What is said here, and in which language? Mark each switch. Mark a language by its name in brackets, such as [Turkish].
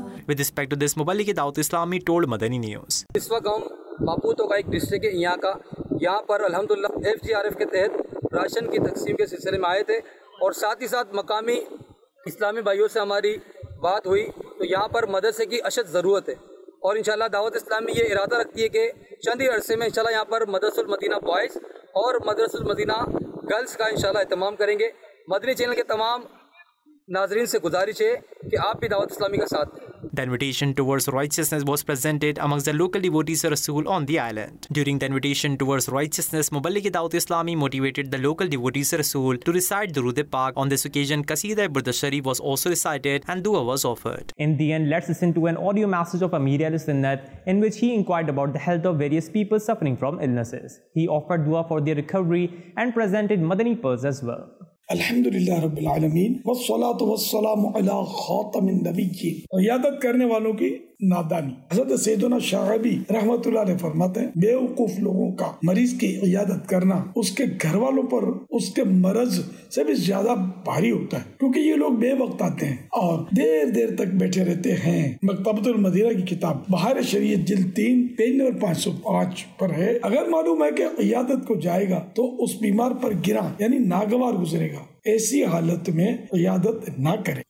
[English] With respect to this, Mubalighe Dawat Islami told Madani News. [Urdu] اس وقت ہم ماپوتو کا ایک ڈسٹرکٹ ہے یہاں کا. یہاں پر الحمد للہ ایف جی آر ایف کے تحت راشن کی تقسیم کے سلسلے میں آئے تھے اور ساتھ ہی ساتھ مقامی اسلامی بھائیوں سے ہماری بات ہوئی تو یہاں پر مدرسے کی اشد ضرورت ہے اور انشاءاللہ دعوت اسلامی یہ ارادہ رکھتی ہے کہ چند ہی عرصے میں انشاءاللہ یہاں پر مدرسۃ المدینہ بوائز اور مدرسۃ المدینہ گرلز کا انشاءاللہ اہتمام کریں گے۔ مدنی چینل کے تمام ناظرین سے گزارش ہے کہ آپ بھی دعوت اسلامی کا ساتھ دیں۔ [English] The invitation towards righteousness was presented amongst the local devotees of Rasool on the island. During the invitation towards righteousness, Muballigh Dawood Islami motivated the local devotees of Rasool to recite Durood-e Pak. On this occasion, Qaseeda-e-Burd-e Sharif was also recited and dua was offered. In the end, let's listen to an audio message of Ameer Ahle Sunnat in which he inquired about the health of various people suffering from illnesses. He offered dua for their recovery and presented Madani pearls as well. [Urdu] الحمد للہ رب العالمین والصلاۃ والسلام علی خاتم النبیین۔ عیادت کرنے والوں کی نادانی، حضرت سیدنا شعبی رحمۃ اللہ علیہ فرماتے ہیں بے وقوف لوگوں کا مریض کی عیادت کرنا اس کے گھر والوں پر اس کے مرض سے بھی زیادہ بھاری ہوتا ہے، کیونکہ یہ لوگ بے وقت آتے ہیں اور دیر دیر تک بیٹھے رہتے ہیں۔ مکتبۃ المدینہ کی کتاب بہار شریعت جلد 3 پیج نمبر 505 پر ہے، اگر معلوم ہے کہ عیادت کو جائے گا تو اس بیمار پر گرا یعنی ناگوار گزرے گا، ایسی حالت میں عیادت نہ کرے۔